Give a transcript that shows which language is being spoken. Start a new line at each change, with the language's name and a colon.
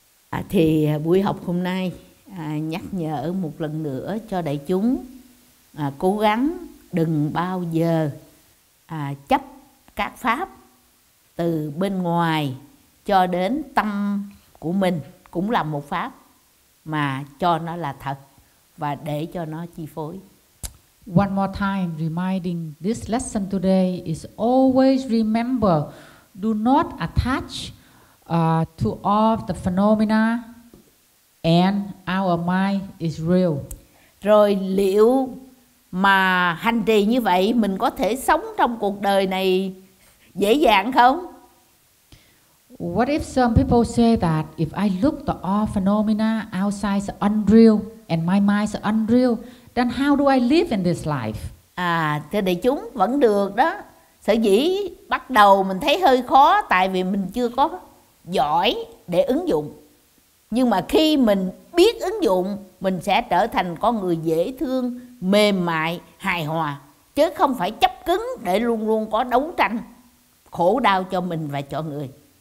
Vietnamese: À, thì buổi học hôm nay nhắc nhở một lần nữa cho đại chúng cố gắng đừng bao giờ chấp các pháp từ bên ngoài cho đến tâm của mình cũng là một pháp, mà cho nó là thật và để cho nó chi phối.
English: One more time, reminding this lesson today is always remember, do not attach to all the phenomena and our mind is real.
Vietnamese: Rồi liệu mà hành trì như vậy mình có thể sống trong cuộc đời này dễ dàng không?
English: What if some people say that if I look at all phenomena outside is unreal and my mind is unreal, then how do I live in this life?
Vietnamese: À, thưa đại chúng, vẫn được đó. Sở dĩ bắt đầu mình thấy hơi khó tại vì mình chưa có giỏi để ứng dụng. Nhưng mà khi mình biết ứng dụng, mình sẽ trở thành con người dễ thương, mềm mại, hài hòa, chứ không phải chấp cứng để luôn luôn có đấu tranh khổ đau cho mình và cho người.